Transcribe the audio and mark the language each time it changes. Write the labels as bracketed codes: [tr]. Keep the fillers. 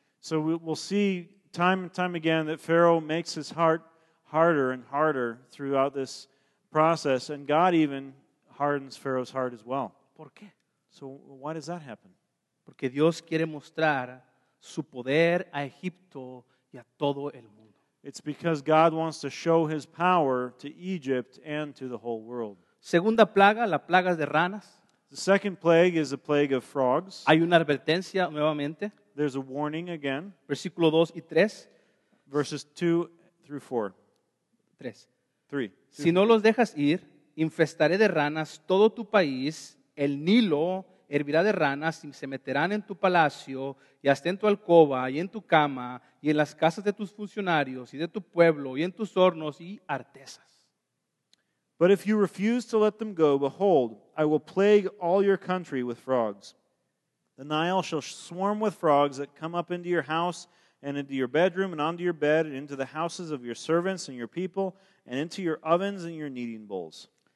[en] So we'll see time and time again that Pharaoh makes his heart harder and harder throughout this process, and God even hardens Pharaoh's heart as well. So why does that happen? [es] porque Dios quiere mostrar su poder a Egipto y a todo el mundo. [en] It's because God wants to show his power to Egypt and to the whole world. [es] Segunda plaga, la plaga de ranas. [en] The second plague is the plague of frogs. [es] Hay una advertencia nuevamente. [en] There's a warning again. [es] Versículo 2 y 3. [en] Verses 2 through 4. [es] 3. Si no three. los dejas ir, infestaré de ranas todo tu país, el Nilo hervirá de ranas y se meterán en tu palacio y hasta en tu alcoba y en tu cama y en las casas de tus funcionarios y de tu pueblo y en tus hornos y artesas. [en] But if you refuse to let them go, behold, I will plague all your country with frogs. The Nile shall swarm with frogs that come up into your house and into your bedroom and onto your bed and into the houses of your servants and your people and into your ovens and your kneading bowls.